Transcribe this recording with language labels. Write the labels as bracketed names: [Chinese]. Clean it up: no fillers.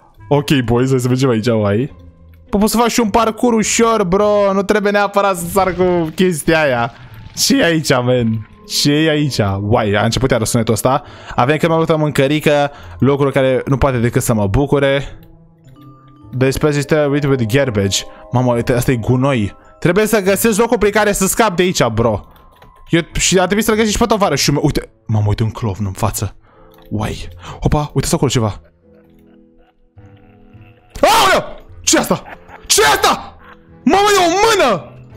[Romanian] Ok, boys, hai să vedem aici, oai. Bă, pot să fac și un parkour ușor, bro. Nu trebuie neapărat să sar cu chestia aia. Ce-i aici, man? Ce-i aici? Uai, a început iară sunetul ăsta. Avem că mai multă mâncărică, locuri care nu poate decât să mă bucure. [English] This place is terrible with garbage. [Romanian] Mamă, asta e gunoi. Trebuie să găsesc locul prin care să scap de aici, bro. Eu, și a trebuit să-l găsesc și pe tovarășul meu. Uite, mamă, uite un clovn în față. Uai, opa, uite-s acolo ceva. Aoleu! Ce-i asta? Ce-i asta? Mamă, e o mână!